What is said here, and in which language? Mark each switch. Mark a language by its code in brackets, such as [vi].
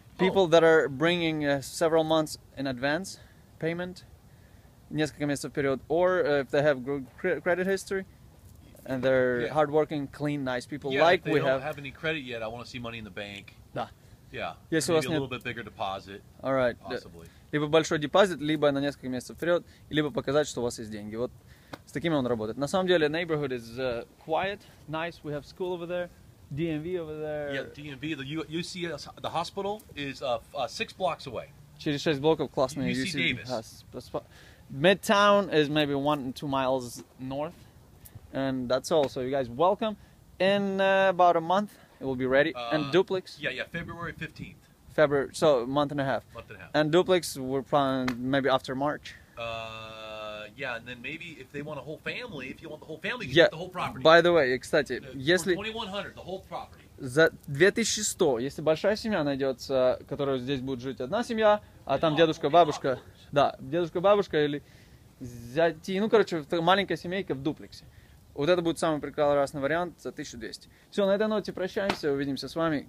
[en] People that are bringing several months in advance payment, [ru] несколько месяцев вперед, [en] or if they have good credit history, and they're hardworking, clean, nice people like we have. Yeah, they don't have any credit yet. I want to see money in the bank. [ru] Да. [en] Yeah. Maybe a little bit bigger deposit. All right. Possibly. [ru] Либо большой депозит, либо на несколько месяцев вперед, либо показать, что у вас есть деньги. Вот с такими он работает. На самом деле, [en] neighborhood is quiet, nice. We have school over there. DMV over there. Yeah, DMV. The hospital is six blocks away. [ru] Через шесть блоков классный [en] UC Davis. Midtown is maybe 1 to 2 miles north, and that's all. So you guys, welcome. In about a month, it will be ready. And duplex. Yeah, February 15th. February. So month and a half. And duplex, we're planning maybe after March. Yeah, and then maybe if they want a whole family, if you want the whole family, you get the whole property. By the way, [ru] кстати, если... [en] 2100, the whole property. [ru] За 2100, если большая семья найдется, которая здесь будет жить одна семья, а там дедушка, бабушка, да, дедушка, бабушка или зяти, ну, короче, маленькая семейка в дуплексе. Вот это будет самый прекрасный вариант за 1200. Все, на этой ноте прощаемся, увидимся с вами.